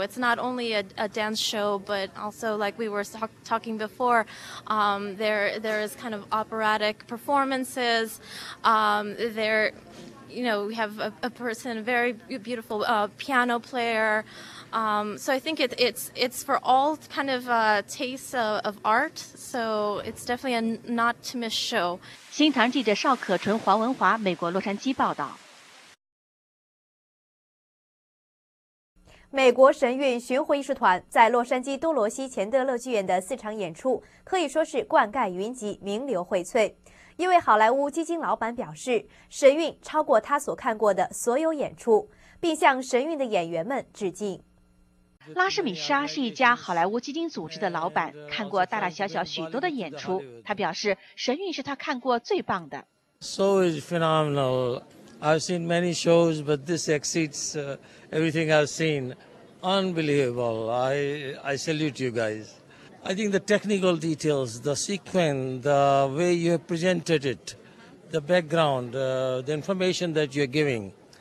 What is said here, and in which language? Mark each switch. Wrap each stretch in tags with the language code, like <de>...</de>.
<en>It's not only a dance show, but also, like we were talking before, there is kind of operatic performances. We have a person, a very beautiful piano player. So I think it's for all kind of tastes of art. So it's definitely a not to miss show.</en> <zh>新唐记者邵可纯、黄文华，美国洛杉矶报道。美国神韵巡回艺术团在洛杉矶多罗西钱德勒剧院的四场演出可以说是灌溉云集，名流荟萃。一位好莱坞基金老板表示，神韵超过他所看过的所有演出，并向神韵的演员们致敬。拉什米莎是一家好莱坞基金组织的老板，看过大大小小许多的演出。他表示，神韵是他看过最棒的。</zh> <en>So it's phenomenal. I've seen many shows, but this exceeds everything I've seen. Unbelievable. I salute you guys. I think the technical details, the sequence, the way you have presented it, the background, the information that you're giving.</en>